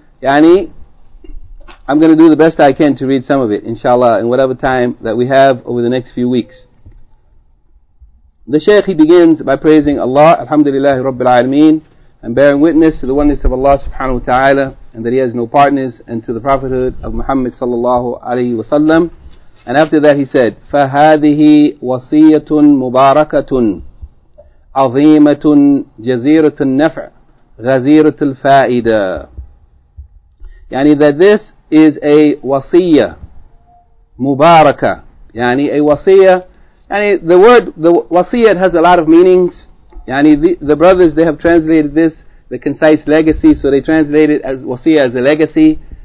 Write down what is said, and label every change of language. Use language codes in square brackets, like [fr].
[en] Yani, I'm going to do the best I can to read some of it, inshallah, in whatever time that we have over the next few weeks. The Shaykh, he begins by praising Allah, Alhamdulillah, Rabbil Alameen, and bearing witness to the oneness of Allah subhanahu wa ta'ala, and that he has no partners, and to the prophethood of Muhammad sallallahu alayhi wa sallam. And after that he said, [ar] فَهَذِهِ وَصِيَّةٌ مُبَارَكَةٌ عَظِيمَةٌ جَزِيرَةُ النَّفْعِ غَزِيرَةُ الْفَائِدَةِ. [en] Yani that this is a wasiyah, mubarakah. Yani a wasiyah Yani the word, the wasiyat has a lot of meanings. Yani the brothers, they have translated this, the concise legacy, so they translate it as wasiyat, as a legacy.